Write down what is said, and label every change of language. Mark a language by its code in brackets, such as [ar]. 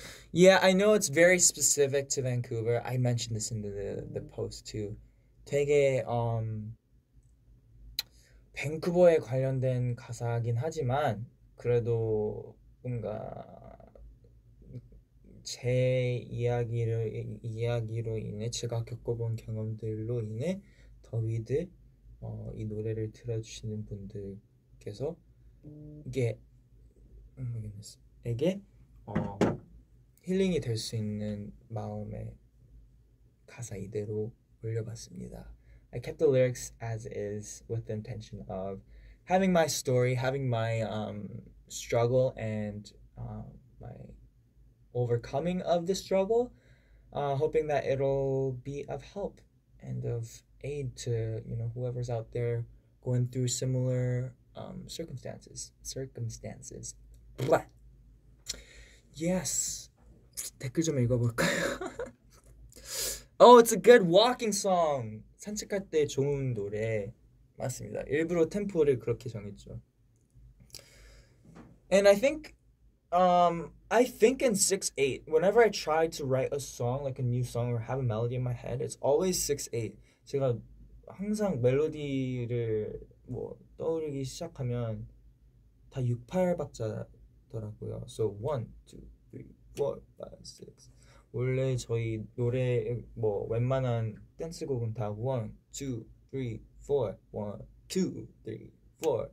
[en] Yeah, I know it's very specific to Vancouver. I mentioned this in the post too. [ko] 되게 밴쿠버에 관련된 가사긴 하지만 그래도 뭔가 제 이야기로 인해 제가 겪어본 경험들로 인해 더위들 이 노래를 들어주시는 분들께서 이게 에게 힐링이 될 수 있는 마음의 가사 이대로 올려봤습니다. [en] I kept the lyrics as is with the intention of having my story, having my struggle and my overcoming of the struggle, hoping that it'll be of help and of aid to, you know, whoever's out there going through similar circumstances. [ko] Blah. Yes. 댓글 좀 읽어볼까요? [en] Oh, it's a good walking song. [ko] 산책할 때 좋은 노래 맞습니다. 일부러 템포를 그렇게 정했죠. [en] And I think in 6/8, whenever I try to write a song, like a new song or have a melody in my head, it's always 6/8. [ko] 제가 항상 멜로디를 뭐 떠오르기 시작하면 다 6/8 박자더라고요. [en] So 1, 2, 3, 4, 5, 6. [ko] 원래 저희 노래 뭐 웬만한 댄스곡은 다 1, 2, 3, 4, 1, 2, 3, 4.